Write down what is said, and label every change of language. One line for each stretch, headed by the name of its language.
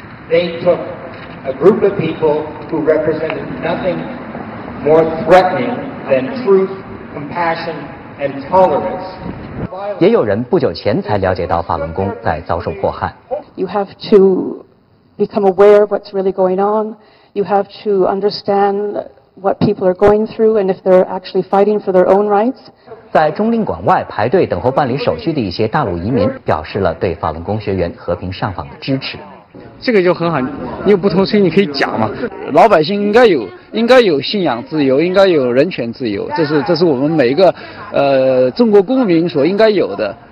English: They took a group of people who represented nothing more threatening than truth, compassion, and tolerance.
Chinese: 也有人不久前才了解到法轮功在遭受迫害。
English: You have to become aware of what's really going on. You have to understand what people are going through and if they're actually fighting for their own rights.
Chinese: 在中领馆外排队等候办理手续的一些大陆移民表示了对法轮功学员和平上访的支持。这个就很好，你有不同声音你可以讲嘛。老百姓应该有信仰自由，应该有人权自由，这是我们每一个中国公民所应该有的。